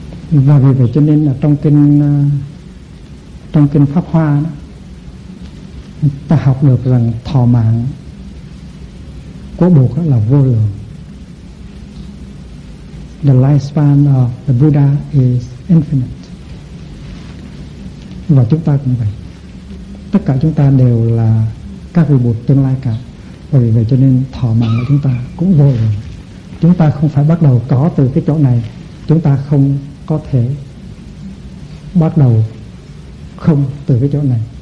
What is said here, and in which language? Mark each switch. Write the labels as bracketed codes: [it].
[vi] Và vì vậy cho nên là trong kinh, trong kinh Pháp Hoa đó, ta học được rằng thọ mạng của Bụt là vô lượng. [en] The lifespan of the Buddha is infinite. [vi] Và chúng ta cũng vậy, tất cả chúng ta đều là các vị Bụt tương lai cả. Và vì vậy cho nên thọ mạng của chúng ta cũng vô lượng. Chúng ta không phải bắt đầu có từ cái chỗ này, chúng ta không có thể bắt đầu không từ cái chỗ này.